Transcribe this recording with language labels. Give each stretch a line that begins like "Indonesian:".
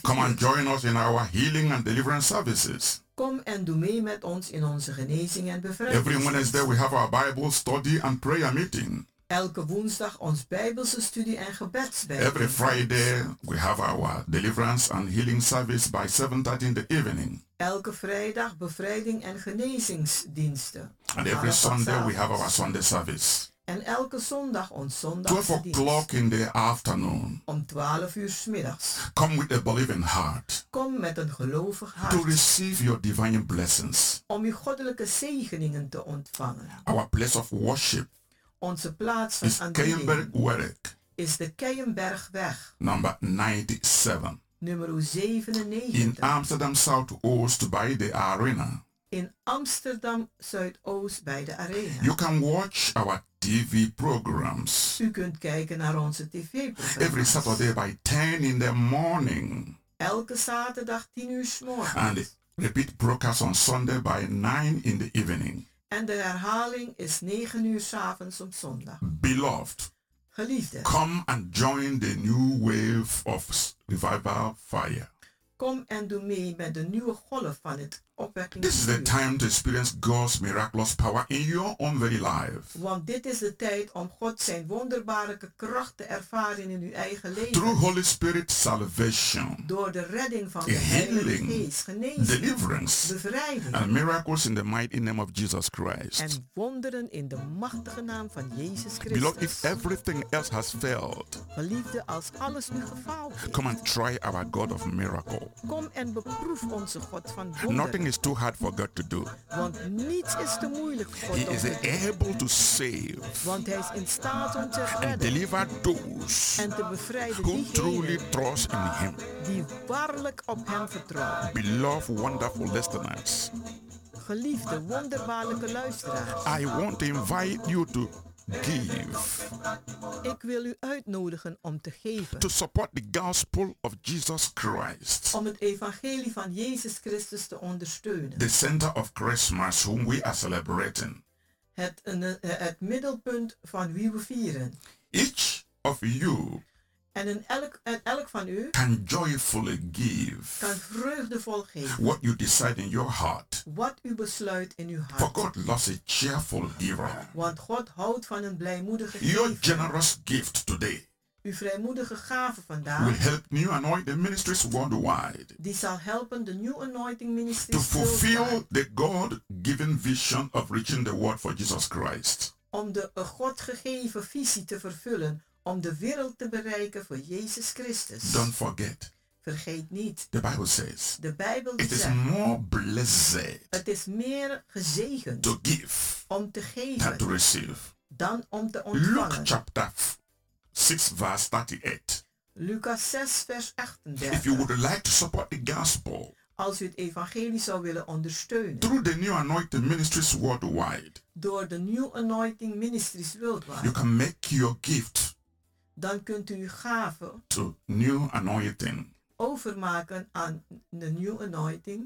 English: Come and join us in our healing and deliverance services.
Dutch: Kom en doe mee met ons in onze genezing en bevrijding.
English: Every Wednesday we have our Bible study and prayer meeting.
Dutch: Elke woensdag ons Bijbelse studie en gebedsbijeen.
English: Every Friday we have our deliverance and healing service by 7:30 in the evening.
Dutch: Elke vrijdag bevrijding en genezingsdiensten.
English: And every Sunday we have our Sunday service.
Dutch: En elke zondag ons zondagse
English: 12 o'clock
Dutch: dienst.
English: In the afternoon.
Dutch: Om 12 uur 's middags.
English: Come with a believing heart.
Dutch: Kom met een gelovig hart.
English: To receive your divine blessings.
Dutch: Om uw goddelijke zegeningen te ontvangen.
English: Our place of worship.
Dutch: Onze plaats van aanbidding is de Keienbergweg, nummer 97. Nummer 97. In Amsterdam Zuidoost bij de Arena. In Amsterdam Zuidoost bij de Arena.
English: You can watch our TV programs.
Dutch: U kunt kijken naar onze tv-programma's.
English: Every Saturday by 10 in the morning.
Dutch: Elke zaterdag 10 uur 's morgens.
English: And repeat broadcast on Sunday by 9 in the evening.
Dutch: En de herhaling is 9 uur 's avonds op zondag.
English: Beloved,
Dutch: geliefde,
English: come and join the new wave of revival fire.
Dutch: Kom en doe mee met de nieuwe golf van het opwekking.
English: This is the time to experience God's miraculous power in your own very life.
Dutch: Want dit is de tijd om God zijn wonderbare kracht te ervaren in uw eigen leven.
English: Through Holy Spirit salvation.
Dutch: Door de redding van de Heilige Geest, genezing,
English: deliverance,
Dutch: bevrijding.
English: And miracles in the mighty name of Jesus Christ.
Dutch: En wonderen in de machtige naam van Jezus Christus.
English: Beloved, if everything else has failed.
Dutch: Geliefde, als alles nu gefaald is.
English: Come and try our God of miracle.
Dutch: Kom en beproef onze God van wonderen.
English: Nothing is too hard for God to do.
Dutch: Want niets is te moeilijk voor God.
English: He is able to save.
Dutch: Want hij is in staat om te redden.
English: And deliver those.
Dutch: En te bevrijden
English: who truly trust in him.
Dutch: Die waarlijk op hem vertrouwen.
English: Beloved wonderful listeners.
Dutch: Geliefde wonderbaarlijke luisteraars.
English: I want to invite you to give.
Dutch: Ik wil u uitnodigen om te geven.
English: To support the gospel of Jesus Christ.
Dutch: Om het evangelie van Jezus Christus te ondersteunen.
English: The center of Christmas whom we are celebrating.
Dutch: Het middelpunt van wie we vieren.
English: Each of you.
Dutch: En elk van u
English: can joyfully give
Dutch: kan vreugdevol geven
English: what you decide in your heart.
Dutch: Wat u besluit in uw hart.
English: For God loves a cheerful giver.
Dutch: Want God houdt van een blijmoedige giver.
English: Your generous gift today.
Dutch: Uw vrijmoedige gave vandaag.
English: Will help new anointed ministries worldwide.
Dutch: Die zal helpen de new anointing ministries
English: to fulfill the God-given vision of reaching the world for Jesus Christ.
Dutch: Om de God gegeven visie te vervullen. Om de wereld te bereiken voor Jezus Christus.
English: Don't forget.
Dutch: Vergeet niet.
English: The Bible says.
Dutch: De Bijbel
English: it
Dutch: zegt.
English: It is more blessed.
Dutch: Het is meer gezegend.
English: To give.
Dutch: Om te geven.
English: Than to receive.
Dutch: Dan om te ontvangen.
English: Luke chapter 6 verse 38.
Dutch: Lucas 6 vers 38.
English: If you would like to support the gospel.
Dutch: Als u het evangelie zou willen ondersteunen.
English: Through the new anointing ministries worldwide.
Dutch: Door de new anointing ministries worldwide.
English: You can make your gift.
Dutch: Dan kunt u uw gave
English: to new anointing
Dutch: overmaken aan de new anointing